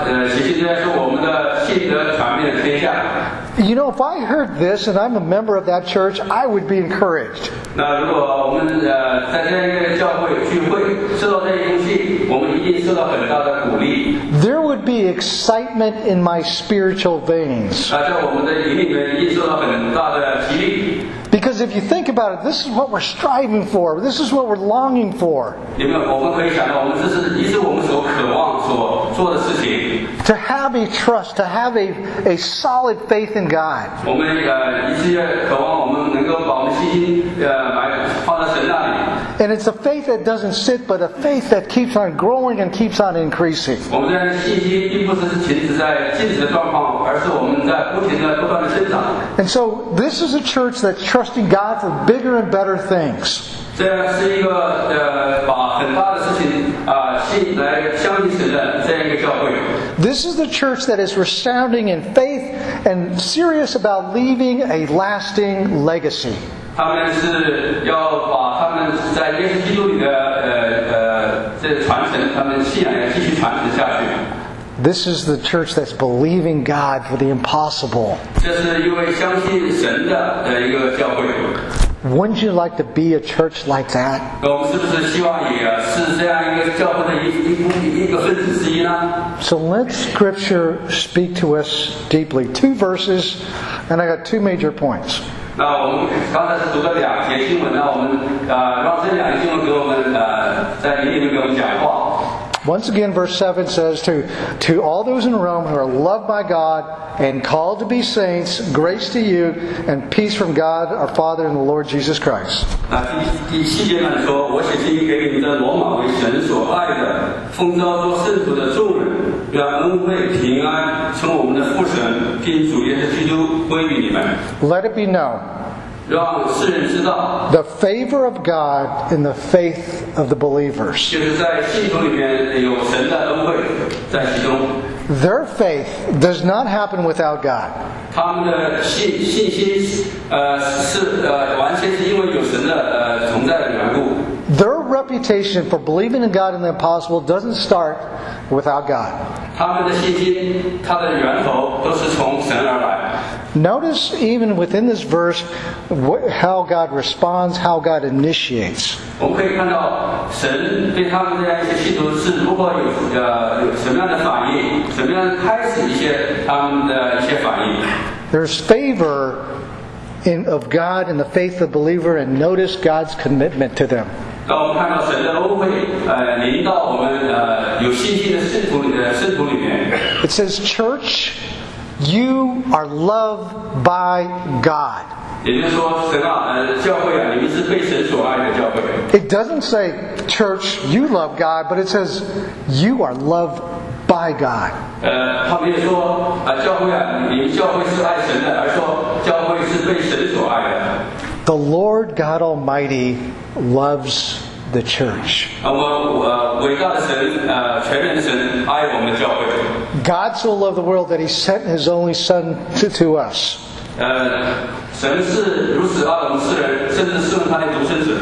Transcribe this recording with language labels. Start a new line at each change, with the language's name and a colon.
Chinese: 写信在说我们的信德传遍了天下。
English: You know, if I heard this and I'm a member of that church, I would be encouraged.
Chinese: 那如果我们在这样一个教会聚会，收到这些东西，我们一定受到很大的鼓励。
English: There would be excitement in my spiritual veins.
Chinese: 在我们的灵里面，一定受到很大的激励。
English: Because if you think about it, this is what we're striving for. This is what we're longing for.
Chinese: 因为我们可以想到，我们这是一直我们所渴望所做的事情。
English: To have a trust, to have a solid faith in God.
Chinese: 我们一直渴望我们能够把我们信心来放在神那里。
English: And it's a faith that doesn't sit, but a faith that keeps on growing and keeps on increasing.
Chinese: 我们这样的信心并不是仅仅是在静止的状况，而是我们在不停的不断的增长。
English: And so this is a church that's trusting God for bigger and better things.
Chinese: 这是一个把很大的事情信来相信神的这样一个教会。
English: This is the church that is resounding in faith and serious about leaving a lasting legacy.
Chinese: 他们是要把他们在耶稣基督里的这传承，他们信仰要继续传承下去。
English: This is the church that's believing God for the impossible.
Chinese: 这是一位相信神的一个教会。
English: Wouldn't you like to be a church like that?
Chinese: 我们是不是希望也是这样一个教会的一个分子之一呢？
English: So let Scripture speak to us deeply. Two verses, and I got two major points.
Chinese: 那我们刚才是读了两节经文，那我们让这两节经文给我们在灵里面给我们讲话。
English: Once again, verse 7 says, to all those in Rome who are loved by God and called to be saints, grace to you and peace from God our Father and the Lord Jesus Christ.
Chinese: 第七节呢说，我写信给你们在罗马为神所爱的，奉召做圣徒的众人，愿恩惠平安从我们的父神并主耶稣基督归于你们。
English: Let it be known.
Chinese: 让世人知道。
English: The favor of God in the faith of the believers.
Chinese: 就是在信徒里面有神的恩惠在其中。
English: Their faith does not happen without God.
Chinese: 他们的信心完全是因为有神的存在的缘故。
English: Their reputation for believing in God and the impossible doesn't start without God.
Chinese: 他们的信心，它的源头都是从神而来。
English: Notice even within this verse how God responds, how God initiates.
Chinese: 我们可以看到神对他们这样一些信徒是如何有什么样的反应，什么样开始一些他们的一些反应。
English: There's favor of God in the faith of the believer, and notice God's commitment to them.
Chinese: 当我们看到神的恩惠临到我们有信心的信徒里面。
English: It says, Church, you are loved by God.
Chinese: 也就是说神啊教会啊你们是被神所爱的教会。
English: It doesn't say, Church, you love God, but it says, you are loved by God.
Chinese: 他没有说教会啊你们教会是爱神的，而说教会是被神所爱的。
English: The Lord God Almighty loves the church.
Chinese: 伟大的神全能的神爱我们的教会。
English: God so loved the world that he sent his only son to us.
Chinese: 神是如此爱我们世人，甚至是他的独生子。